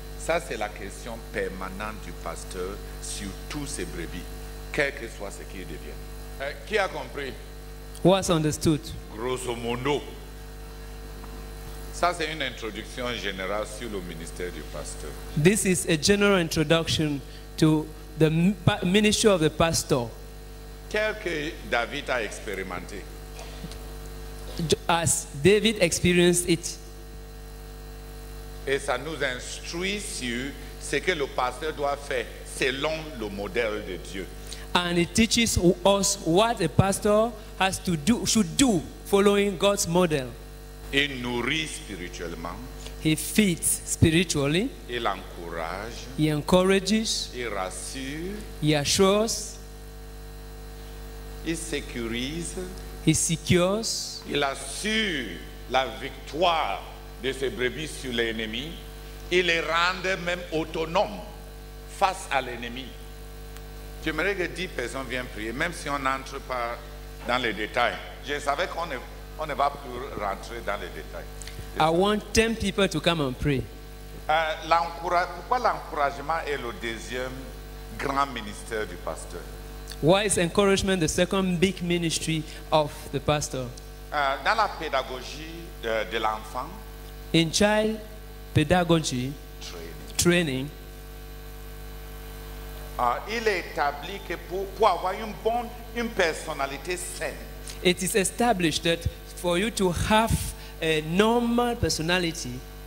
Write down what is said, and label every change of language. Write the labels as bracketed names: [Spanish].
[French] Ça, c'est la question permanente du pasteur sur tous ses brebis, quel que soit ce qu'il devient. Qui a compris? [English] Who has understood? [French] Grosso modo. Ça, c'est une introduction générale sur le ministère du pasteur. [English] This is a general introduction to the ministry of the pastor. [French] Tel que David a expérimenté. [English] As David experienced it. [French] Et ça nous instruit sur ce que le pasteur doit faire selon le modèle de Dieu. [English] And it teaches us what a pastor has to do, should do, following God's model. [French] Il nourrit spirituellement. [English] He feeds spiritually. [French] Il encourage. [English] He encourages. [French] Il rassure. [English] He assures. [French] Il sécurise. [English] He secures. [French] Il assure la victoire de ses brebis sur l'ennemi. Il les rend même autonomes face à l'ennemi. J'aimerais que 10 personnes viennent prier, même si on n'entre pas dans les détails. Je savais qu'on ne va plus rentrer dans les détails. [English] I want 10 people to come and pray. [French] Pourquoi l'encouragement est le deuxième grand ministère du pasteur? [English] Why is encouragement the second big ministry of the pastor? [French] Dans la pédagogie de l'enfant, [English] in child pedagogy, training. [French] Il est établi que pour avoir une personnalité saine. [English] It is established that for you to have a normal personality,